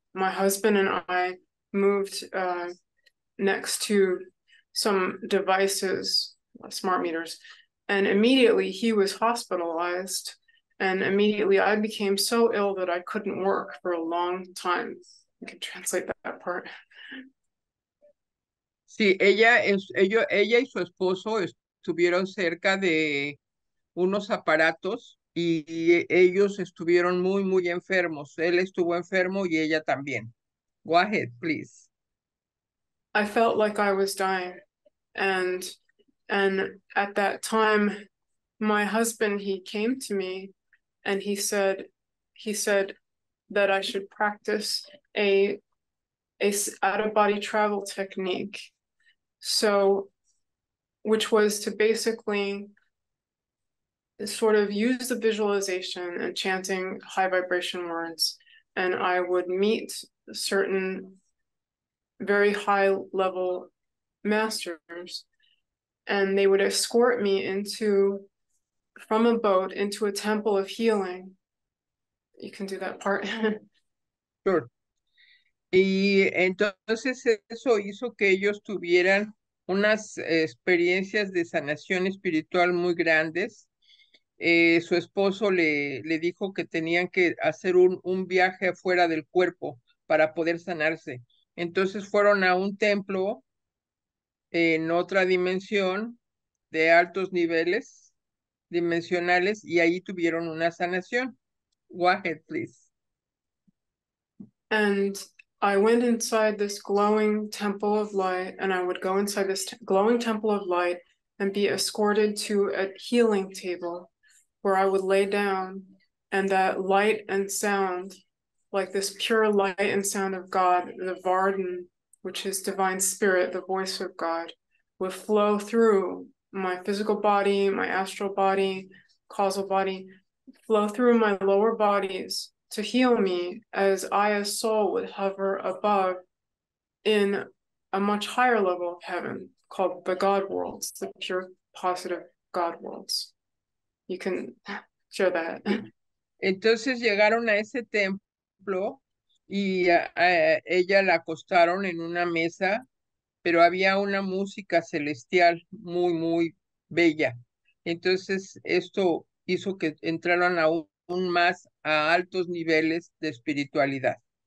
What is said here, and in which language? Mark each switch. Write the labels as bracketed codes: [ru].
[en] My husband and I moved next to some devices, smart meters, and immediately he was hospitalized. And immediately I became so ill that I couldn't work for a long time. I can translate that part. [es] Sí, ella y su esposo estuvieron cerca de unos aparatos y ellos estuvieron muy, muy enfermos. Él estuvo enfermo y ella también. [en] Go ahead, please. I felt like I was dying. And at that time, my husband, he came to me. And he said that I should practice a out-of-body travel technique, so which was to basically sort of use the visualization and chanting high vibration words, and I would meet certain very high level masters, and they would escort me from a boat into a temple of healing. You can do that part. Sure. [es] Y entonces eso hizo que ellos tuvieran unas experiencias de sanación espiritual muy grandes. Su esposo le dijo que tenían que hacer un viaje fuera del cuerpo para poder sanarse. Entonces fueron a un templo en otra dimensión de altos niveles dimensionales, y ahí tuvieron una sanación. [en] Go ahead, please. And I went inside this glowing temple of light, and I would go inside this glowing temple of light and be escorted to a healing table where I would lay down, and that light and sound, like this pure light and sound of God, the Varden, which is divine spirit, the voice of God, would flow through my physical body, my astral body, causal body, flow through my lower bodies to heal me, as I, as soul, would hover above in a much higher level of heaven called the God worlds, the pure positive God worlds. you can show that. [es] Entonces llegaron a ese templo y ella la acostaron en una mesa, pero había una música celestial muy, muy bella. Entonces esto hizo que entraran aún más a altos niveles de espiritualidad.